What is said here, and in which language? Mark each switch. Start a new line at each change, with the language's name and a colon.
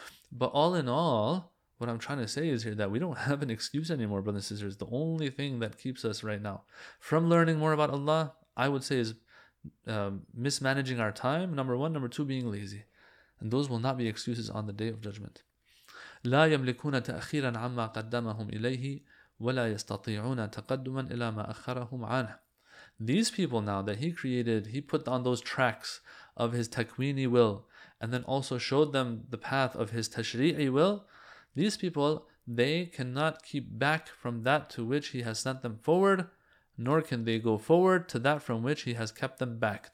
English: But all in all, what I'm trying to say is here that we don't have an excuse anymore, brothers and sisters. The only thing that keeps us right now from learning more about Allah, I would say, is mismanaging our time, number one. Number two, being lazy. And those will not be excuses on the Day of Judgment.
Arabic: لا يملكون تأخيرا عما قدمهم إليه ولا يستطيعون تقدما إلى ما أخرهم عنه.
English: These people now that He created, He put on those tracks of His takwini will, and then also showed them the path of His tashri'i will, these people, they cannot keep back from that to which He has sent them forward, nor can they go forward to that from which He has kept them back.